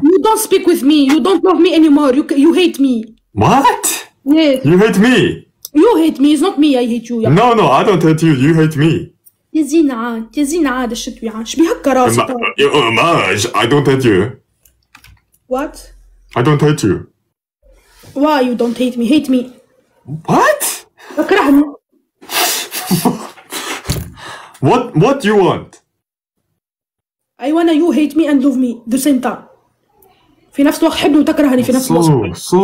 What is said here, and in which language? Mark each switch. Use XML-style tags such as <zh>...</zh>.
<en>you don't speak with me you don't love me anymore you hate me what yes you hate me you hate me it's not me I hate you yeah. no I don't hate you you hate me</en> <ar>يا زين عاد الشتوي عاد شبيه هكا راسي</ar> <en>I don't hate you what I don't hate you. Why you don't hate me? Hate me. What?</en> <ar>أكرهني.</ar> <en>What you want? I wanna you hate me and love me the same time.</en> <ar>في نفس الوقت حبني وتكرهني في نفس الوقت.</ar>